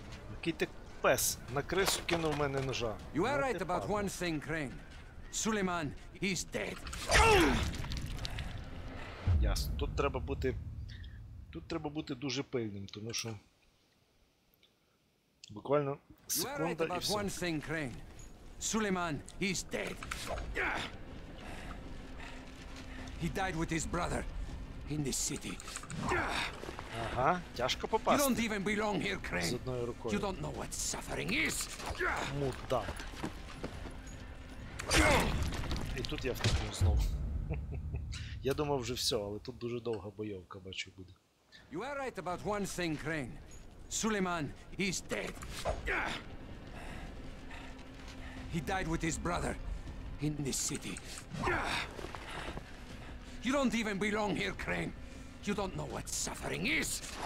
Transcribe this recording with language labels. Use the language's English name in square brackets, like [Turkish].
[Ukrainian] Який ти пес, на кришу кинув мене ножа. [English] You are right about one thing, Crane. Сулейман is dead. [Ukrainian] Ясно, тут треба бути дуже пильним, тому що буквально секунда і все. [English] Thing, Crane. Сулейман is dead. He died with his brother in this city. [Ukrainian] Ага, тяжко попасти. [English] You don't even belong here, Crane. [Ukrainian] З одною рукою. [English] You don't know what suffering is. [Ukrainian] Мудак. І тут я втекну знову. Я думав вже все, але тут дуже довга бойовка, бачу, буде. [English] You are right about one thing, Crane. Сулейман is dead. He died with his brother in this city. You don't even belong here, Crane. You don't know what suffering is.